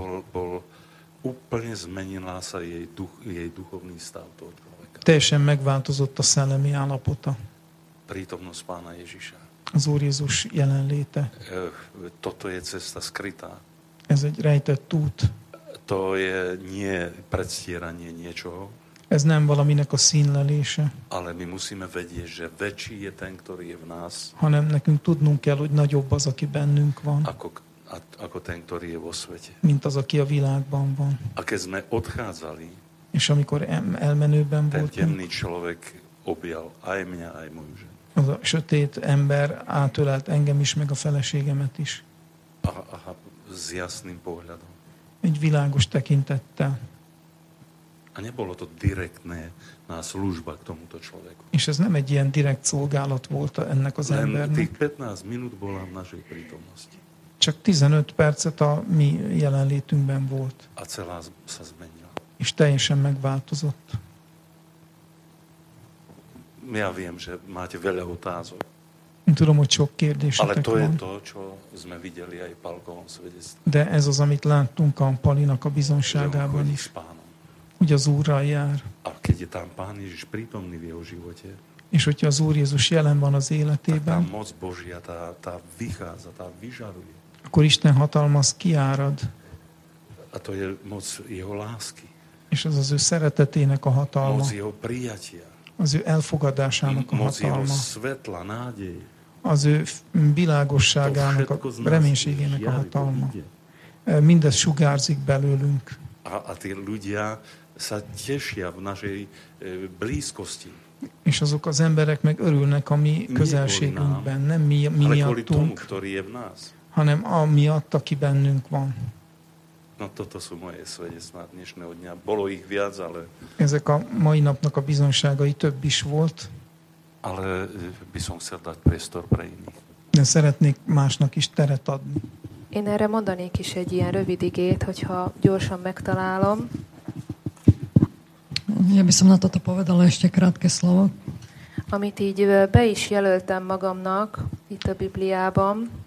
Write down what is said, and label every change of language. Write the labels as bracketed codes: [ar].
[sk] Bol úplne zmenila sa jej duchovný stav toho človeka. [hu] Teljesen megváltozott a szellemi állapota. [sk] Prítomnosť Pána Ježiša. [hu] Az Úr Jézus jelenléte. [sk] Toto je cesta skrytá. [hu] Ez egy rejtett út. [sk] To je nie predstieranie niečoho. [hu] Ez nem valaminek a színlelése. [sk] Ale my musíme vedieť, že väčší je ten, ktorý je v nás. [hu] Hanem nekünk tudnunk kell, hogy nagyobb az, aki bennünk van. [sk] Ako ten, ktorý je vo svete. [hu] Mint az, aki a világban van. [sk] A keď sme odchádzali, [hu] és amikor elmenőben [sk] voltunk, ten temný človek objal aj mňa, aj moju ženu. [hu] Az a sötét ember átölelt engem is, meg a feleségemet is. [sk] Aha, s jasným pohľadom. [hu] Egy világos tekintettel. [sk] A nebolo to direktné na služba k tomuto človeku. [hu] És ez nem egy ilyen direkt szolgálat volt ennek az embernek. [sk] Tých 15 minút bola v našej prítomnosti. [hu] Csak 15 percet a mi jelenlétünkben volt. [sk] A celá sa zmenila. [hu] És teljesen megváltozott. [sk] Ja viem, že máte veľa otázok. [hu] Tudom, hogy sok kérdésetek van. [sk] Ale to [hu] van. [sk] Je to, čo sme videli aj Palkovom svedectve. [hu] De ez az, amit láttunk a Palinak a bizonságában is. Hogy az Úrral jár. [sk] A keď je tam Pán Ježiš prítomný v jeho živote. [hu] És hogyha az Úr Jézus jelen van az életében. [sk] Tak tá moc Božia, tá vychádza, tá vyžaruje. [hu] Akkor Isten hatalma az kiárad. [sk] A to je moc jeho lásky. [hu] És ez az ő szeretetének a hatalma. [sk] Moc jeho prijatia. [hu] Az ő elfogadásának a [sk] moc [hu] hatalma. [sk] Moc jeho svetla, nádej. [hu] Az ő világosságának, a reménységének a hatalma. Mindez sugárzik belőlünk. [sk] A tí ľudia sa tešia v našej blízkosti. [hu] És azok az emberek meg örülnek a mi közelségünkben, nem mi miattunk, hanem amiatt, aki bennünk van. [sk] No toto sú moje svedectvá dnešného dňa. Bolo ich viac, ale... [hu] Ezek a mai napnak a bizonságai több is volt. [sk] Ale by som chcel dať priestor pre iných. [hu] De szeretnék másnak is teret adni. Én erre mondanék is egy ilyen rövid igét, hogyha gyorsan megtalálom. [sk] Ja by som na toto povedala ešte krátke slovo. [hu] Amit így be is jelöltem magamnak itt a Bibliában.